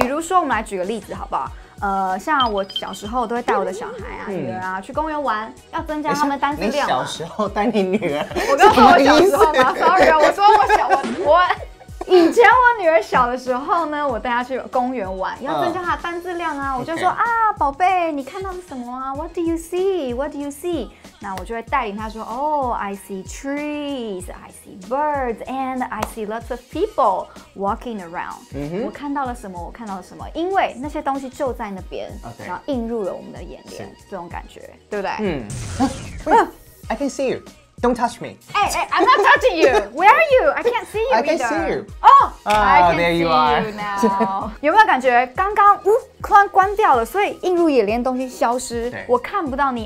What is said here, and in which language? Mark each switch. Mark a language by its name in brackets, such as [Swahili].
[Chinese] 比如说我们来举个例子好不好，像我小时候都会带我的小孩啊、女儿啊去公园玩，要增加他们单词量。你小时候带你女儿？我刚说我小时候吗 ？Sorry， 我说我小我。以前我女儿小的时候呢，我带她去公园玩，要增加她的单字量啊。我就说、okay. 啊，宝贝，你看到了什么啊 ？ [English] What do you see? What do you see? [Chinese] 那我就会带领她说， [English] 哦、，I see trees, I see birds, and I see lots of people walking around、 [Chinese] 我看到了什么？我看到了什么？因为那些东西就在那边， [English] okay. [Chinese] 然后映入了我们的眼帘，这种感觉，对不对？ [English] I can see you. Don't touch me. Hey, I'm not touching you. Where are you? I can't see you. I can't see you. Oh, there you are. [Chinese] 有没有感觉刚刚突然关掉了，所以映入眼帘的东西消失，我看不到你。